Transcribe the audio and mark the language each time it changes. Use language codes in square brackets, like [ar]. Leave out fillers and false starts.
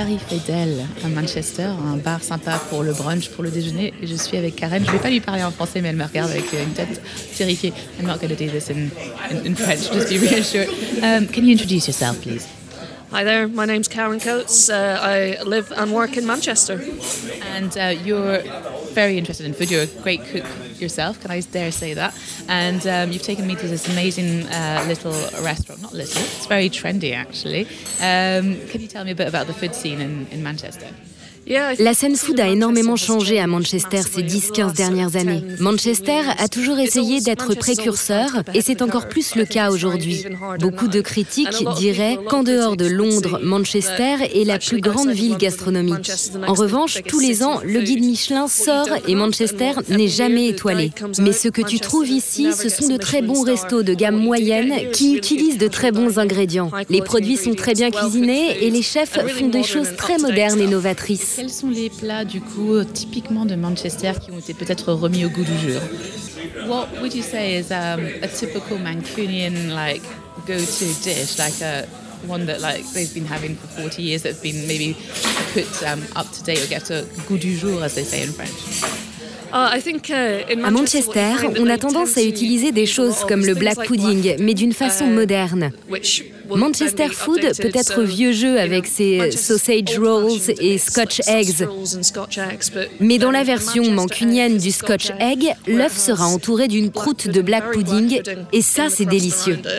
[fr] Edel à Manchester, un bar sympa pour le brunch, pour le déjeuner. Et je suis avec Karen. Je ne vais pas lui parler en français, mais elle me regarde avec une tête terrifiée. [en] I'm not going to do this in French, just be reassured. Can you introduce yourself, please? Hi there, my name's Karen Coates. I live and work in Manchester. And you're very interested in food. You're a great cook yourself, can I dare say that? And you've taken me to this amazing little restaurant. Not little, it's very trendy actually. Can you tell me a bit about the food scene in Manchester? [fr] La scène food a énormément changé à Manchester ces 10-15 dernières années. Manchester a toujours essayé d'être précurseur et c'est encore plus le cas aujourd'hui. Beaucoup de critiques diraient qu'en dehors de Londres, Manchester est la plus grande ville gastronomique. En revanche, tous les ans, le guide Michelin sort et Manchester n'est jamais étoilé. Mais ce que tu trouves ici, ce sont de très bons restos de gamme moyenne qui utilisent de très bons ingrédients. Les produits sont très bien cuisinés et les chefs font des choses très modernes et novatrices. Quels sont les plats, du coup, typiquement de Manchester qui ont été peut-être remis au goût du jour? [en] What would you say is a typical Mancunian, like, go-to dish, like a one that, like, they've been having for 40 years that's been maybe put up to date or get a [fr] goût du jour, [en] as they say in French? [fr] À Manchester, on a tendance à utiliser des choses comme le black pudding, mais d'une façon moderne. Manchester food peut être vieux jeu avec ses sausage rolls et scotch eggs. Mais dans la version mancunienne du scotch egg, l'œuf sera entouré d'une croûte de black pudding, et ça, c'est délicieux.